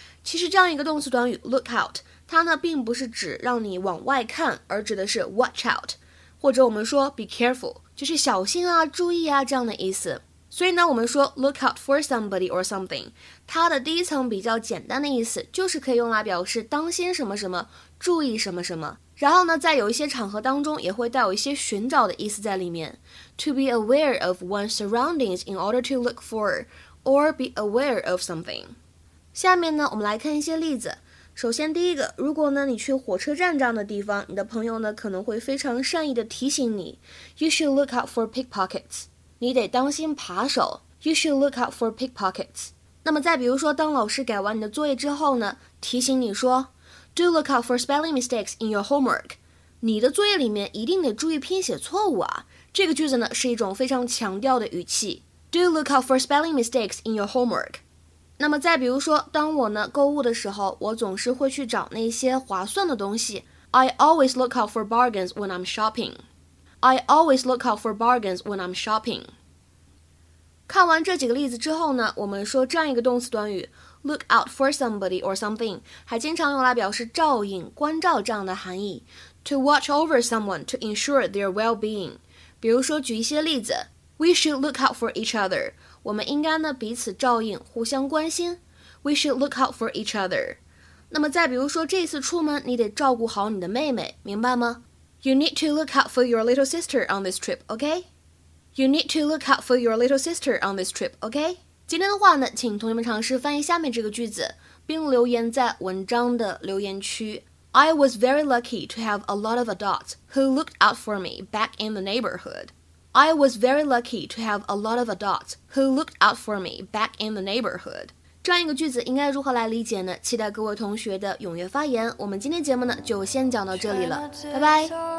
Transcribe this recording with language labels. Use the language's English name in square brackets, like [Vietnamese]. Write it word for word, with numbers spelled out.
[Chinese] 其实这样一个动词短语 look out， 它呢并不是指让你往外看，而指的是 watch out， 或者我们说 be careful， 就是小心啊、注意啊这样的意思。所以呢，我们说 [English] look out for somebody or something， [Chinese] 它的第一层比较简单的意思，就是可以用来表示当心什么什么，注意什么什么。然后呢，在有一些场合当中，也会带有一些寻找的意思在里面。 [English] To be aware of one's surroundings in order to look for or be aware of something。 [Chinese] 下面呢，我们来看一些例子。首先，第一个，如果呢你去火车站这样的地方，你的朋友呢可能会非常善意的提醒你 ， [English] You should look out for pickpockets。 [Chinese] 你得当心扒手。 [English] You should look out for pickpockets。 [Chinese] 那么再比如说，当老师改完你的作业之后呢，提醒你说。 [English] Do look out for spelling mistakes in your homework. [Chinese] 你的作业里面一定得注意拼写错误啊。这个句子呢是一种非常强调的语气。 [English] Do look out for spelling mistakes in your homework. [Chinese] 那么再比如说，当我呢购物的时候，我总是会去找那些划算的东西。 [English] I always look out for bargains when I'm shopping. I always look out for bargains when I'm shopping. [Chinese] 看完这几个例子之后呢，我们说这样一个动词短语。 [English] Look out for somebody or something [Chinese] 还经常用来表示照应、关照这样的含义。 [English] To watch over someone to ensure their well-being。 [Chinese] 比如说，举一些例子 [English] ：We should look out for each other。 [Chinese] 我们应该呢彼此照应、互相关心。 [English] We should look out for each other。 [Chinese] 那么再比如说，这次出门你得照顾好你的妹妹，明白吗 ？ [English] You need to look out for your little sister on this trip, okay? You need to look out for your little sister on this trip, okay? [Chinese] 今天的话呢，请同学们尝试翻译下面这个句子，并留言在文章的留言区。 [English] I was very lucky to have a lot of adults who looked out for me back in the neighborhood. I was very lucky to have a lot of adults who looked out for me back in the neighborhood. [Chinese] 这样一个句子应该如何来理解呢？期待各位同学的踊跃发言。我们今天节目呢就先讲到这里了，拜拜。